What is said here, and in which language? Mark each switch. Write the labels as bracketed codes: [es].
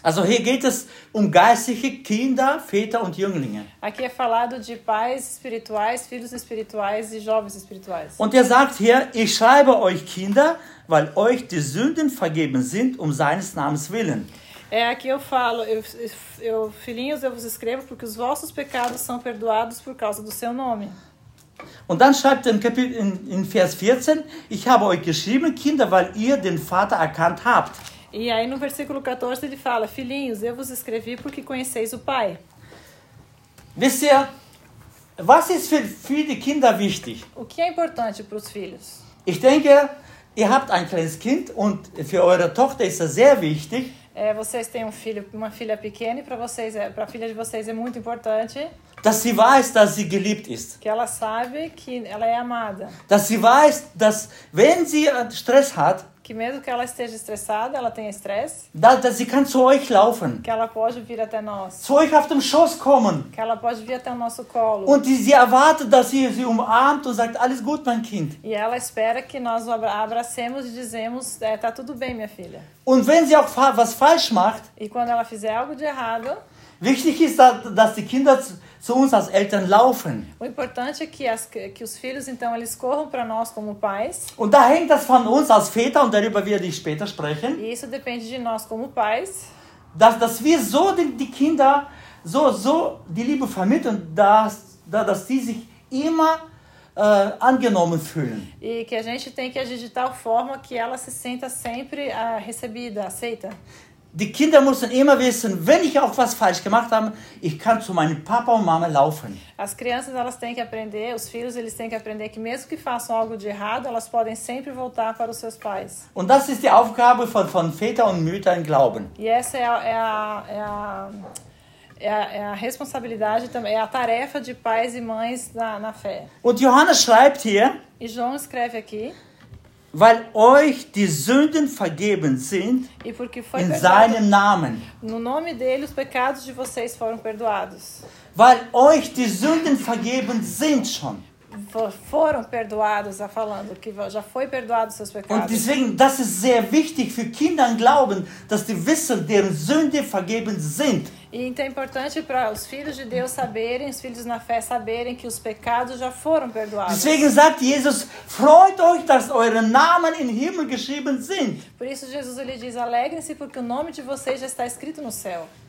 [de] Also hier geht es geistliche Kinder, Väter und Jünglinge. [pt] Aqui é falado de pais espirituais, filhos espirituais e jovens espirituais. [de] Und sagt hier, ich schreibe euch Kinder, weil euch die Sünden vergeben sind um seines Namens willen. [pt] É, aqui eu falo, eu filhinhos, eu vos escrevo porque os vossos pecados são perdoados por causa do seu nome. [de] Und dann schreibt in Vers 14, ich habe euch geschrieben, Kinder, weil ihr den Vater erkannt habt. [pt] E aí no versículo 14 ele fala, filhinhos, eu vos escrevi porque conheceis o Pai. [de] Wisst ihr, was ist für viele Kinder wichtig? [pt] O que é importante para os filhos? [de] Ich denke, ihr habt ein kleines Kind und für eure Tochter ist das sehr wichtig. [pt] É, vocês têm um filho, uma filha pequena e para vocês, para a filha de vocês é muito importante. [de] Dass sie weiß, dass sie geliebt ist. [pt] Que ela sabe que ela é amada. [de] Dass sie weiß, dass wenn sie Stress hat. [pt] Que mesmo que ela esteja estressada, ela tenha estresse. [de] Dass sie kann zu euch laufen. [pt] Que ela pode vir até nós. [de] Zu euch auf dem Schoß kommen. [pt] Que ela pode vir até o nosso colo. [de] Und sie erwartet, dass ihr sie umarmt und sagt alles gut, mein Kind. [pt] E ela espera que nós o abracemos e dizemos, tá tudo bem, minha filha. [de] Und wenn sie auch was falsch macht. [pt] E quando ela fizer algo de errado. [de] Wichtig ist, dass die Kinder zu uns als Eltern laufen. [pt] O importante é que os filhos então eles corram para nós como pais. [de] Und da hängt das von uns als Väter und darüber werde ich später sprechen. [pt] E isso depende de nós como pais. [de] Dass wir so die Kinder so die Liebe vermitteln, dass sie sich immer angenommen fühlen. [pt] E que a gente tem que agir de tal forma que ela se sinta sempre recebida, aceita. [de] Die Kinder müssen immer wissen, wenn ich auch was falsch gemacht habe, ich kann zu meinem Papa und Mama laufen. [pt] As crianças elas têm que aprender, os filhos eles têm que aprender que mesmo que façam algo de errado, elas podem sempre voltar para os seus pais. [de] Und das ist die Aufgabe von Vätern und Müttern glauben. [pt] E essa é a responsabilidade também, é a tarefa de pais e mães na fé. [de] Und Johannes schreibt hier. [pt] E João escreve aqui. [de] Weil euch die Sünden vergeben sind [pt] e porque foi [de] in seinem Namen. [pt] No nome dele os pecados de vocês foram perdoados. [de] Weil euch die Sünden vergeben sind schon. [pt] Foram perdoados, já falando que já foi perdoado seus pecados. [de] Und deswegen, das ist sehr wichtig für Kinder glauben, dass die wissen, deren Sünde vergeben sind. [pt] E então é importante para os filhos de Deus saberem, os filhos na fé saberem que os pecados já foram perdoados. [de] Deswegen sagt Jesus, freut euch, dass eure Namen im Himmel geschrieben sind. [pt] Por isso Jesus ele diz, alegrem-se porque o nome de vocês já está escrito no céu.